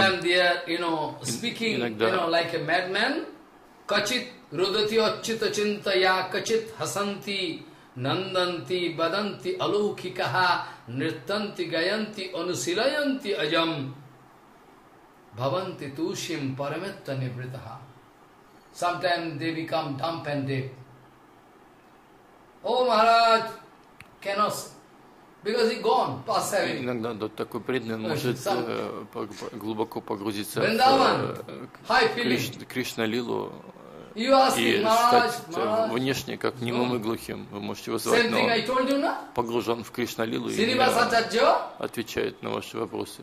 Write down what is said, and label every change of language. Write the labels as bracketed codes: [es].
[sa] иногда, качит рудати отчита чинтая, качит хасанти, Нанданти, баданти, алоукикаха, нриттанти, гаянти, анусилаянти, аям, бхаванти, тушим, параметта, невритаха. [en] Sometimes they become dumb and deaf. Oh, Maharaj, cannot, because he gone, passed away. [ru] Иногда такой преданный может глубоко погрузиться в Кришна-лилу. и стать внешне как немым и глухим. Вы можете вызвать, но погружен в Кришналилу и не отвечает на ваши вопросы.